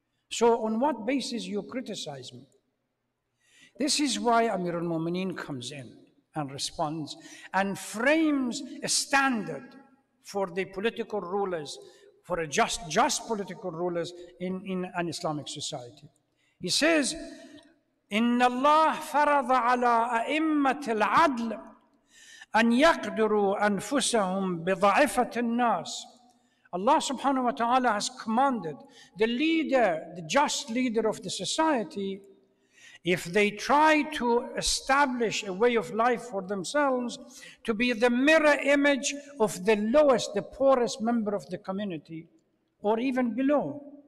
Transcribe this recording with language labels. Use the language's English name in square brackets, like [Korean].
[English] So on what basis you criticize me? This is why Amir al-Mu'mineen comes in and responds and frames a standard for the political rulers, for a just political rulers in an Islamic society. [Arabic] He says, إِنَّ اللَّهَ فَرَضَ عَلَىٰ أَئِمَّةِ الْعَدْلِ أَنْ يَقْدُرُوا أَنفُسَهُمْ بِضَعِفَةِ النَّاسِ. [English] Allah subhanahu wa ta'ala has commanded the leader, the just leader of the society, if they try to establish a way of life for themselves, to be the mirror image of the lowest, the poorest member of the community, or even below.